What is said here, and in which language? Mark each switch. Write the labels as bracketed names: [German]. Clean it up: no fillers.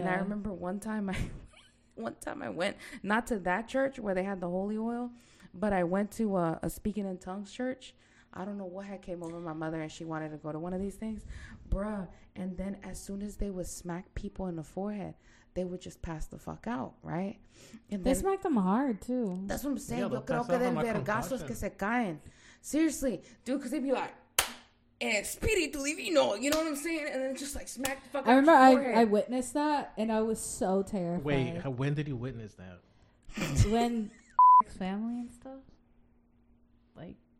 [English] And I remember one time I went, not to that church where they had the holy oil, but I went to a speaking in tongues church. I don't know what had came over my mother and she wanted to go to one of these things. Bruh. And then as soon as they would smack people in the forehead, they would just pass the fuck out, right? And they smacked them hard, too. That's what I'm saying. [Spanish] Yeah, yo creo que del vergasos que se caen. [English] Seriously, dude, because they'd be like, Espíritu Divino, you know what I'm saying? And then just like smack the fuck out. I remember I witnessed that and I was so terrified. Wait, when did you witness that? When family and stuff? Like,